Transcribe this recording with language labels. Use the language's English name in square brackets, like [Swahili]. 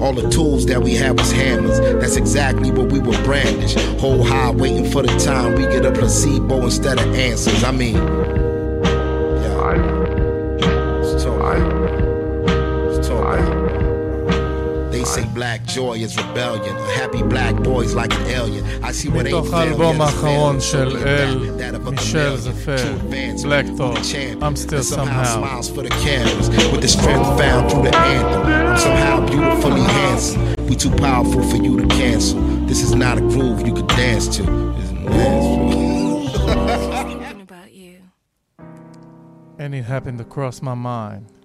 [English] All the tools that we had was hammers. That's exactly what we were brandish. Whole high waiting for the time we get a placebo instead of answers. I mean, yeah, it's say black joy is rebellion. A happy black boy's like an alien. I see what [Hebrew] מתוך האלבום האחרון של אל מישל זפר, Black Thought, I'm Still Somehow. [English] Smiles for the cameras with the strength found through the anthem. I'm somehow beautifully handsome. We too powerful for you to cancel. This is not a groove you could dance to. It's nasty. And it happened across my mind.